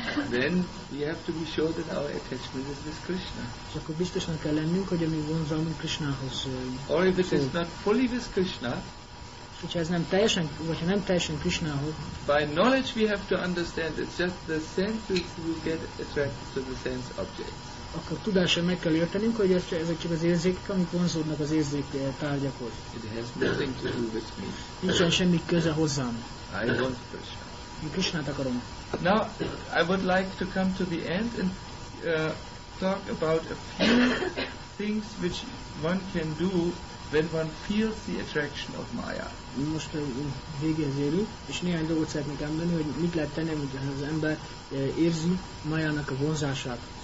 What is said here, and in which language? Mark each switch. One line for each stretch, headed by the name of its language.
English: Then we have to be sure that our attachment is with Krishna.
Hungarian: És akkor biztosnak kell lennünk, hogy mi vonzalmunk Krishnához.
English: Or if it is not fully with Krishna.
Hungarian: Hogyha ez nem teljesen, vagy ha nem teljesen Krishnához.
English: By knowledge we have to understand it's just the senses who get attracted to the sense objects.
Hungarian: Akkor tudással meg kell értenünk, hogy ezek csak az érzékek, amik vonzódnak az érzék tárgyakhoz.
English: It has nothing to do with me.
Hungarian: Nincsen semmi köze hozzám.
English: I want Krishna.
Hungarian: Én Krishnát akarom.
English: Now, I would like to come to the end and talk about a few things which one can do when one feels the attraction of Maya.
Hungarian: Most végéhez érünk, és néhány dolgot szeretnék említeni, hogy mit lehet tenni, hogy az ember érzi Mayának a vonzását.